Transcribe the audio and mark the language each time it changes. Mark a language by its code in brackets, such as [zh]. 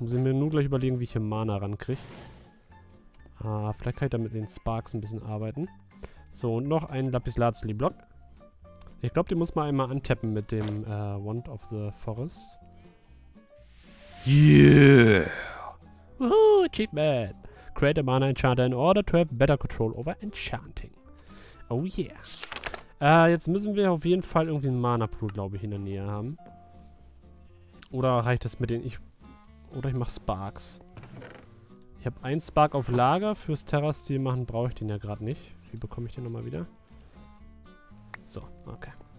[de] Muss ich mir nur gleich überlegen, wie ich hier Mana rankriege. Vielleicht kann ich damit den Sparks ein bisschen arbeiten. So, und noch ein Lapislazuli-Block. Ich glaube, den muss man einmal antappen mit dem Wand of the Forest. [en] Yeah! Woohoo, Achievement! Create a Mana Enchanter in order to have better control over Enchanting. Oh yeah! [de] Jetzt müssen wir auf jeden Fall irgendwie einen Mana-Pool, glaube ich, in der Nähe haben. Oder reicht das mit den... Ich mache Sparks. Ich habe einen Spark auf Lager. Fürs Terra-Steel machen brauche ich den ja gerade nicht. Wie bekomme ich den nochmal wieder? So, okay.